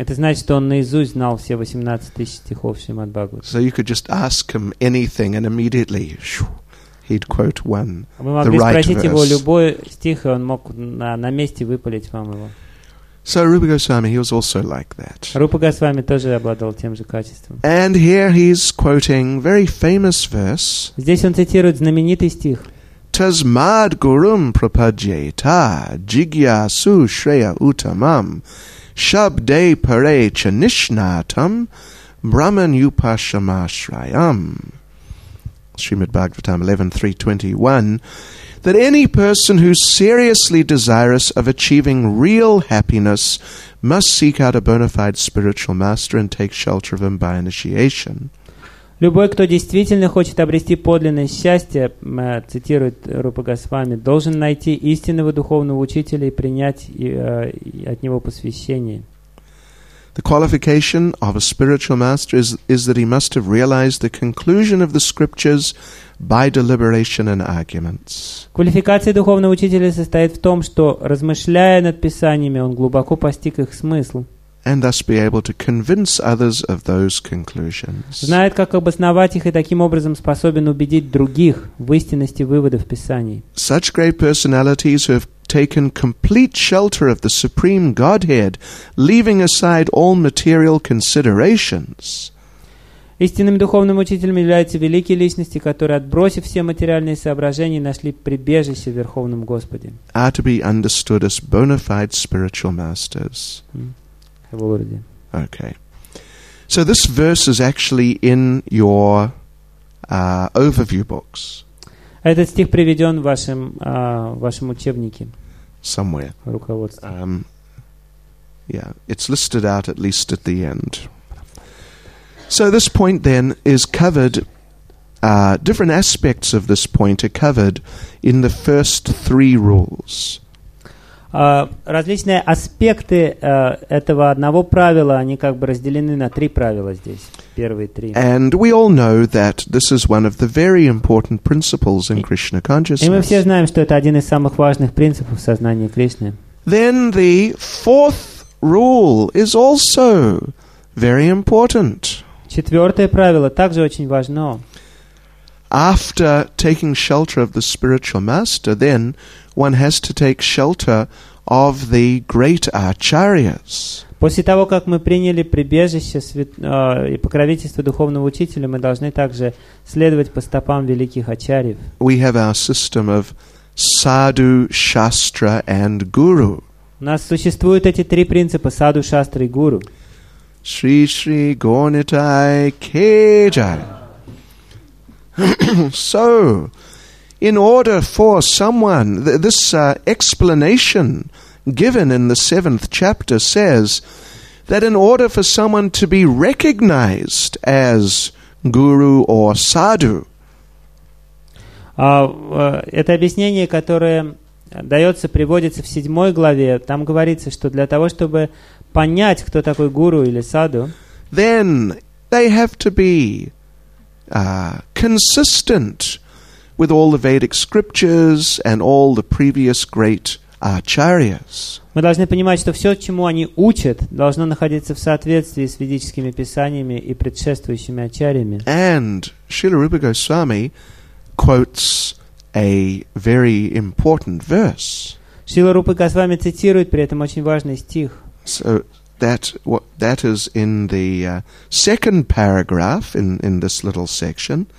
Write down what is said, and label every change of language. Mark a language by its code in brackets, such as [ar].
[ru] Это значит, что он наизусть знал все 18 тысяч стихов Шримад Бхагаватам. [en] So you could just ask him anything and immediately he'd quote one, the right verse. [ru] Вы могли спросить его любой стих, и он мог на месте выпалить вам его. [en] So Rupa Goswami, he was also like that. [ru] Rupa Goswami тоже обладал тем же качеством. [en] And here he's quoting very famous verse. [ru] Здесь он цитирует знаменитый стих. [sa] Tasmad gurum prapajeta jigyasu shreya utamam shabde pare chanishnatam brahman upashamashrayam. [en] Srimad Bhagavatam 11.3.21. That any person who's seriously desirous of achieving real happiness must seek out a bona fide spiritual master and take shelter of him by initiation. [ru] Любой, кто действительно хочет обрести подлинное счастье, цитирует Рупа Госвами, должен найти истинного духовного учителя и принять от него посвящение. [en] The qualification of a spiritual master is that he must have realized the conclusion of the scriptures by deliberation and arguments. [ru] Квалификация духовного учителя состоит в том, что размышляя над писаниями, он глубоко постиг их смысл. [en] And thus be able to convince others of those conclusions. [ru] Знает, как обосновать их и таким образом способен убедить других в истинности выводов писаний. [en] Such great personalities who have taken complete shelter of the Supreme Godhead, leaving aside all material considerations. [ru] Истинным духовным учителем являются великие личности, которые, отбросив все материальные соображения, нашли прибежище в Верховном Господе. [en] Are to be understood as bona fide spiritual masters. Okay. So this verse is actually in your overview books. [ru] Этот стих приведен в вашем учебнике. [en] Somewhere. [ru] Руководство. [en] It's listed out at least at the end. So this point then is covered, different aspects of this point are covered in the first three rules. [ru] Различные аспекты этого одного правила, они как бы разделены на три правила здесь, первые три. [en] And we all know that this is one of the very important principles in Krishna consciousness. [ru] И мы все знаем, что это один из самых важных принципов сознания Кришны. [en] Then the fourth rule is also very important. [ru] Четвертое правило также очень важно. [en] After taking shelter of the spiritual master, then one has to take shelter of the great acharyas. [ru] После того, как мы приняли прибежище и покровительство духовного учителя, мы должны также следовать по стопам великих ачарьев. [en] We have our system of sadhu, shastra and guru. [ru] У нас существуют эти три принципа: sadhu, shastra и guru. Shri Shri Gonitai Kejai. [en] So, in order for someone, this explanation given in the seventh chapter says that in order for someone to be recognized as guru or sadhu. [ru] Это объяснение, которое дается, приводится в седьмой главе. Там говорится, что для того, чтобы понять, кто такой гуру или саду, [en] then they have to be consistent with all the Vedic scriptures and all the previous great acharyas. [ru] Мы должны понимать, что все, чему они учат, должно находиться в соответствии с ведическими писаниями и предшествующими ачарьями. [en] And Srila Rupa Goswami quotes a very important verse. [ru] Srila Rupa Goswami цитирует при этом очень важный стих. [en] So that is in the second paragraph in this little section.